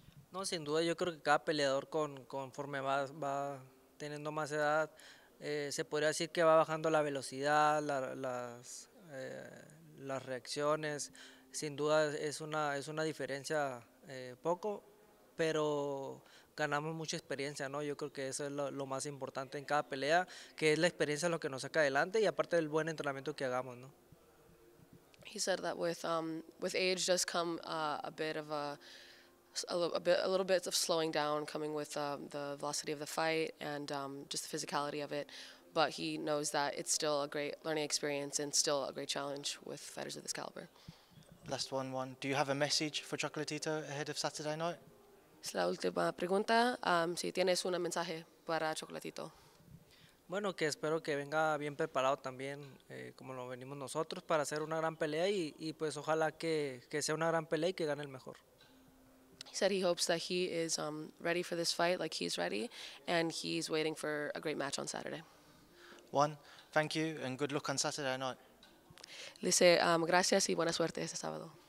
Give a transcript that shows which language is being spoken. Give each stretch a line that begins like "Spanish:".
Spanish: No, sin duda, yo creo que cada peleador conforme va teniendo más edad, se podría decir que va bajando la velocidad, las reacciones. Sin duda es una diferencia poco, pero ganamos mucha experiencia, ¿no? Yo creo que eso es lo más importante en cada pelea, que es la experiencia lo que nos saca adelante, y aparte del buen entrenamiento que hagamos, ¿no?
English: He said that with age does come a little bit of slowing down, coming with the velocity of the fight and just the physicality of it. But he knows that it's still a great learning experience and still a great challenge with fighters of this caliber. Last one, Juan. Do you have a message for Chocolatito ahead of Saturday night?
Spanish: Es la última pregunta. Si tienes un mensaje para Chocolatito. Bueno, que espero que venga bien preparado también, como lo venimos nosotros, para hacer una gran pelea, y pues ojalá que sea una gran pelea y que gane el mejor.
English: He said he hopes that he is ready for this fight, like he's ready, and he's waiting for a great match on Saturday. Juan, thank you, and good luck on Saturday night.
Spanish: Le dice gracias y buena suerte este sábado.